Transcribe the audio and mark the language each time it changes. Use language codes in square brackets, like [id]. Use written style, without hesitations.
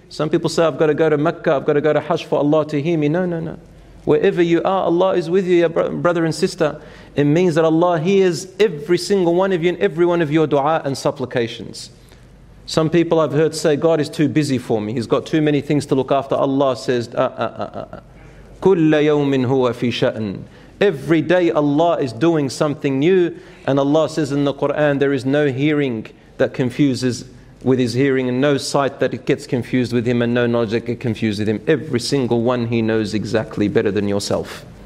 [en] Some people say, I've got to go to Mecca, I've got to go to Hajj for Allah to hear me. No, no, no. Wherever you are, Allah is with you, your brother and sister. It means that Allah hears every single one of you and every one of your dua and supplications. Some people I've heard say, God is too busy for me. He's got too many things to look after. Allah says, [ar] كُلَّ يَوْمٍ هُوَ فِي شَأْنٍ. [en] Every day Allah is doing something new. And Allah says in the Quran, there is no hearing that confuses with His hearing, and no sight that it gets confused with Him, and no knowledge that gets confused with Him. Every single one He knows exactly better than yourself.